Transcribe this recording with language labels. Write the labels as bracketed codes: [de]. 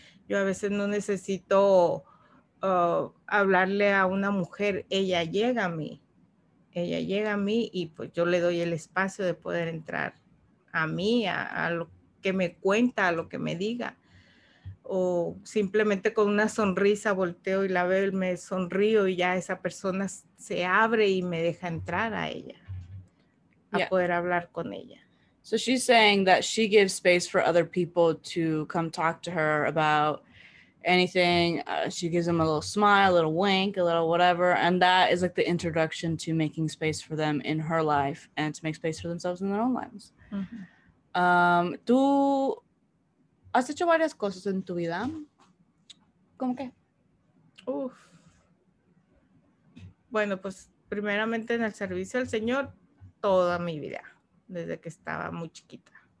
[es] Yo a veces no necesito hablarle a una mujer, ella llega a mí y pues yo le doy el espacio de poder entrar a mí, a lo que me cuenta, a lo que me diga. O simplemente con una sonrisa volteo y la veo y me sonrío y ya esa persona se abre y me deja entrar a ella. Yeah. A poder hablar con ella. [en] So she's saying that she gives space for other people to come talk to her about anything. She gives them a little smile, a little wink, a little whatever. And that is like the introduction to making space for them in her life and to make space for themselves in their own lives. Mm-hmm. [es] Tú has hecho varias cosas en tu vida. ¿Cómo qué? Uf. Bueno, pues primeramente en el servicio al Señor. Toda mi vida, desde que estaba muy chiquita.